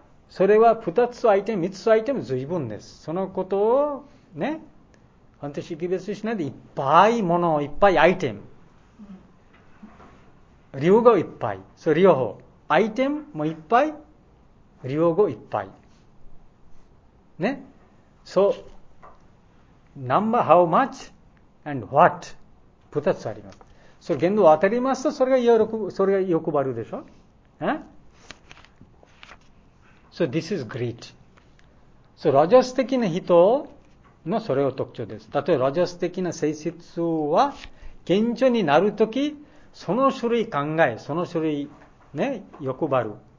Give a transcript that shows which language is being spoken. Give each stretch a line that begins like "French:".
Japanese: それは二つアイテム、三つアイテム随分です。そのことをね、本当に識別しないで、いっぱいもの、いっぱいアイテム。両語いっぱい。そう、両方。アイテムもいっぱい、両語いっぱい。ね。そう。
English: Number, how much, and what.
Japanese: 二つあります。それ、限度を当たりますと、それが欲張るでしょ。
English: So, this is greed.
Japanese: So, ラジャス的な人のそれが特徴です。例えば、ラジャス的な性質は、顕著になるとき、その種類考え、その種類、ね、欲張る。